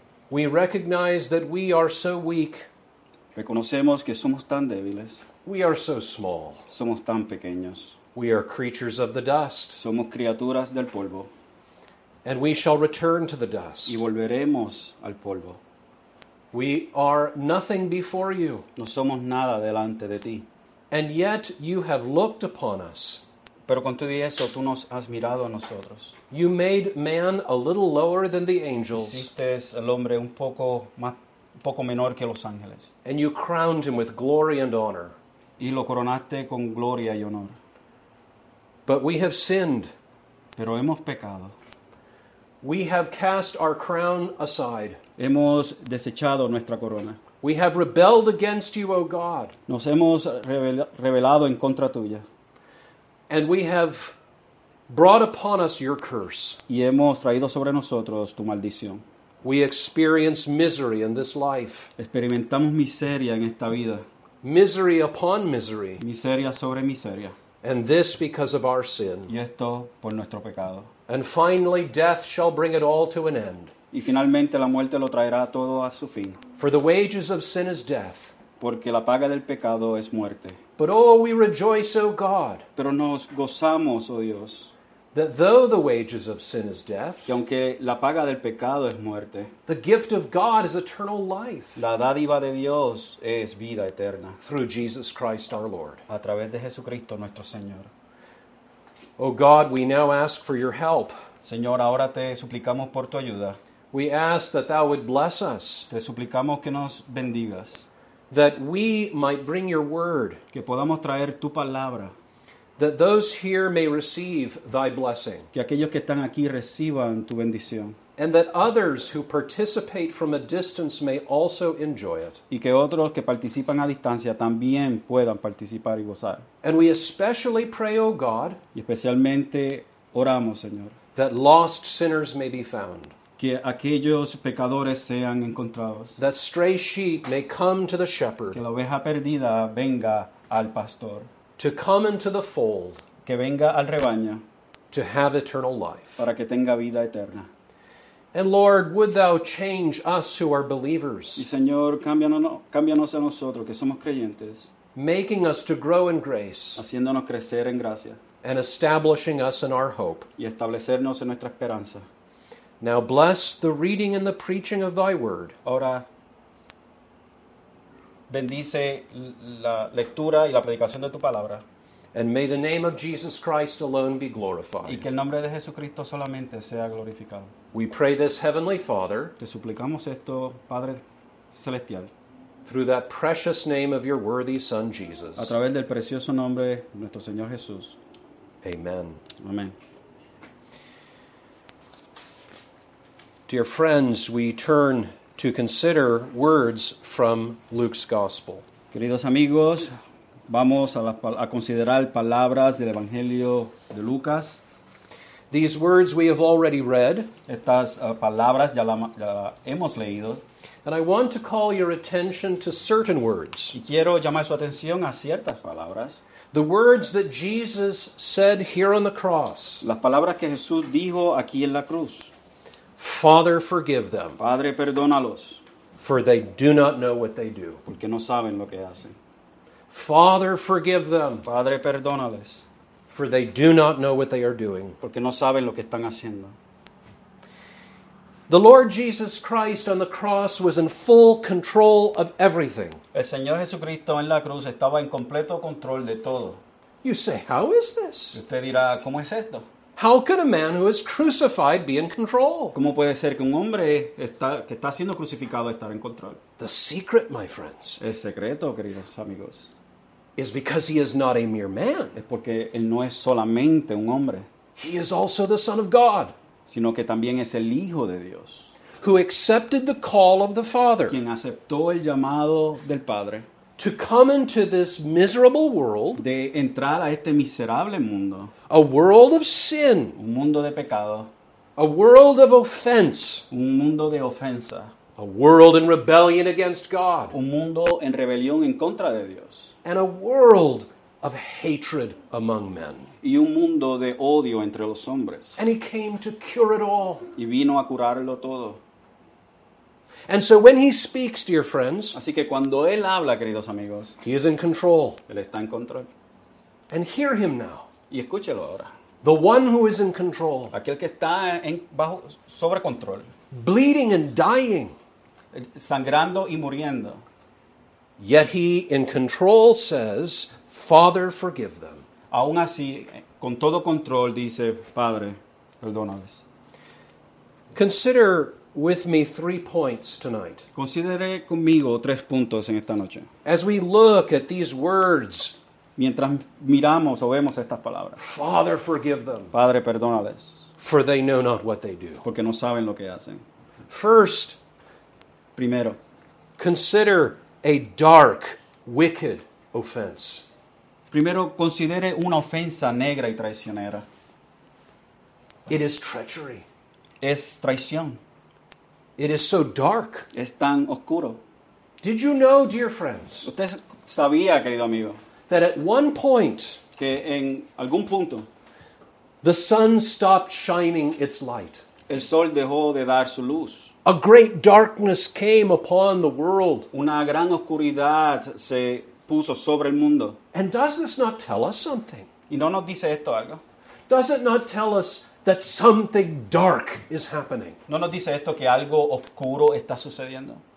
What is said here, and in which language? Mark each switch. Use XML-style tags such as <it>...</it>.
<en>We recognize that we are so weak.</en> <es>Reconocemos que somos tan débiles.</es> <en>We are so small.</en> <es>Somos tan pequeños.</es> <en>We are creatures of the dust.</en> <es>Somos criaturas del polvo.</es> <en>And we shall return to the dust.</en> <es>Y volveremos al polvo.</es> <en>We are nothing before you.</en> <es>No somos nada delante de ti.</es> <en>And yet you have looked upon us.</en> <es>Pero con todo eso, tú nos has mirado a nosotros.</es> <en>You made man a little lower than the angels.</en> <es>Hiciste al hombre un poco menor que los ángeles.</es> <en>And you crowned him with glory and honor.</en> <es>Y lo coronaste con gloria y honor.</es> <en>But we have sinned.</en> <es>Pero hemos pecado.</es> <en>We have cast our crown aside.</en> <es>Hemos desechado nuestra corona.</es> <en>We have rebelled against you, O God.</en> <es>Nos hemos rebelado en contra tuya.</es> <en>And we have brought upon us your curse.</en> <es>Y hemos traído sobre nosotros tu maldición.</es> <en>We experience misery in this life.</en> <es>Experimentamos miseria en esta vida.</es> <en>Misery upon misery.</en> <es>Miseria sobre miseria.</es> <en>And this because of our sin.</en> <es>Y esto por nuestro pecado.</es> <en>And finally death shall bring it all to an end.</en> <es>Y finalmente la muerte lo traerá todo a su fin.</es> <en>For the wages of sin is death.</en> <es>Porque la paga del pecado es muerte.</es> <en>But oh, we rejoice, O God.</en> <es>Pero nos gozamos, oh Dios.</es> <en>That though the wages of sin is death.</en> <es>Que aunque la paga del pecado es muerte.</es> <en>The gift of God is eternal life.</en> <es>La dádiva de Dios es vida eterna.</es> <en>Through Jesus Christ our Lord.</en> <es>A través de Jesucristo nuestro Señor.</es> <en>O God, we now ask for your help.</en> <es>Señor, ahora te suplicamos por tu ayuda.</es> <en>We ask that thou would bless us.</en> <es>Te suplicamos que nos bendigas.</es> <en>That we might bring your word.</en> <es>Que podamos traer tu palabra.</es> <en>That those here may receive thy blessing.</en> <es>Que aquellos que están aquí reciban tu bendición.</es> <en>And that others who participate from a distance may also enjoy it.</en> <es>Y que otros que participan a distancia también puedan participar y gozar.</es> <en>And we especially pray, O God.</en> <es>Y especialmente oramos, Señor.</es> <en>That lost sinners may be found.</en> <es>Que aquellos pecadores sean encontrados.</es> <en>That stray sheep may come to the shepherd.</en> <es>Que la oveja perdida venga al pastor.</es> <en>To come into the fold.</en> <es>Que venga al rebaño.</es> <en>To have eternal life.</en> <es>Para que tenga vida eterna.</es> <en>And Lord, would thou change us who are believers?</en> <es>Y Señor, cámbianos a nosotros que somos creyentes.</es> <en>Making us to grow in grace.</en> <es>Haciéndonos crecer en gracia.</es> <en>And establishing us in our hope.</en> <es>Y establecernos en nuestra esperanza.</es> <en>Now bless the reading and the preaching of thy word.</en> <es>Ahora bendice la lectura y la predicación de tu palabra.</es> <en>And may the name of Jesus Christ alone be glorified.</en> <es>Y que el nombre de Jesucristo solamente sea glorificado.</es> <en>We pray this, Heavenly Father.</en> <es>Te suplicamos esto, Padre Celestial.</es> <en>Through that precious name of your worthy Son, Jesus.</en> <es>A través del precioso nombre de nuestro Señor Jesús.</es> <en>Amen.</en> <es>Amen.</es> <en>Dear friends, we turn to consider words from Luke's Gospel.</en> <es>Queridos amigos, vamos a considerar palabras del Evangelio de Lucas.</es> <en>These words we have already read.</en> <es>Estas palabras ya la hemos leído.</es> <en>And I want to call your attention to certain words.</en> <es>Y quiero llamar su atención a ciertas palabras.</es> <en>The words that Jesus said here on the cross.</en> <es>Las palabras que Jesús dijo aquí en la cruz.</es> <en>Father, forgive them.</en> <es>Padre, perdónalos.</es> <en>For they do not know what they do.</en> <es>Porque no saben lo que hacen.</es> <en>Father, forgive them.</en> <es>Padre, perdónales.</es> <en>For they do not know what they are doing.</en> <es>Porque no saben lo que están haciendo.</es> <en>The Lord Jesus Christ on the cross was in full control of everything.</en> <es>El Señor Jesucristo en la cruz estaba en completo control de todo.</es> <en>You say, how is this?</en> <es>Y usted dirá, ¿cómo es esto?</es> <en>How can a man who is crucified be in control?</en> <es>¿Cómo puede ser que un hombre que está siendo crucificado estar en control?</es> <en>The secret, my friends.</en> <es>El secreto, queridos amigos.</es> <en>Is because he is not a mere man.</en> <es>Es porque él no es solamente un hombre.</es> <en>He is also the Son of God.</en> <es>Sino que también es el Hijo de Dios.</es> <en>Who accepted the call of the Father.</en> <es>Quien aceptó el llamado del Padre.</es> <en>To come into this miserable world.</en> <es>De entrar a este miserable mundo.</es> <en>A world of sin.</en> <es>Un mundo de pecado.</es> <en>A world of offense.</en> <es>Un mundo de ofensa.</es> <en>A world in rebellion against God.</en> <es>Un mundo en rebelión en contra de Dios.</es> <en>And a world of hatred among men.</en> <es>Y un mundo de odio entre los hombres.</es> <en>And he came to cure it all.</en> <es>Y vino a curarlo todo.</es> <en>And so when he speaks, dear friends,</en> <es>así que cuando él habla, queridos amigos,</es> <en>he is in control.</en> <es>Él está en control.</es> <en>And hear him now.</en> <es>Y escúchelo ahora.</es> <en>The one who is in control.</en> <es>Aquel que está bajo sobre control.</es> <en>Bleeding and dying.</en> <es>Sangrando y muriendo.</es> <en>Yet he in control says, Father, forgive them.</en> <es>Aún así, con todo control, dice, Padre, perdónales.</es> <en>Consider with me 3 points tonight.</en> <es>Considere conmigo 3 puntos en esta noche.</es> <en>As we look at these words.</en> <es>Mientras miramos o vemos estas palabras.</es> <en>Father, forgive them.</en> <es>Padre, perdónales.</es> <en>For they know not what they do.</en> <es>Porque no saben lo que hacen.</es> <en>First.</en> <es>Primero.</es> <en>Consider a dark, wicked offense.</en> <es>Primero, considere una ofensa negra y traicionera.</es> <en>It is treachery.</en> <es>Es traición.</es> <en>It is so dark.</en> <es>Es tan oscuro.</es> <en>Did you know, dear friends?</en> <es>Usted sabía, querido amigo.</es> <en>That at one point.</en> <es>Que en algún punto.</es> <en>The sun stopped shining its light.</en> <es>El sol dejó de dar su luz.</es> <en>A great darkness came upon the world.</en> <es>Una gran oscuridad se puso sobre el mundo.</es> <en>And does this not tell us something?</en> <es>¿Y no nos dice esto algo?</es> <en>Does it not tell us that something dark is happening?</en> <es>¿No nos dice esto que algo oscuro está sucediendo?</es>